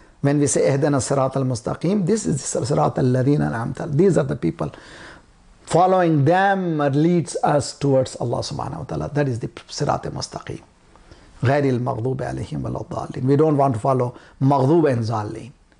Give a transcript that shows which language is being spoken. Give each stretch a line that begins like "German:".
English: When we say,
Arabic: اهدنا الصراط المستقيم,
English: this is
Arabic: الصراط الذين أنعمت.
English: These are the people. Following them leads us towards Allah subhanahu wa ta'ala. That is the sirat mustaqim.
Arabic: غير المغضوب عليهم ولا الضالين.
English: We don't want to follow مغضوب and ظالين.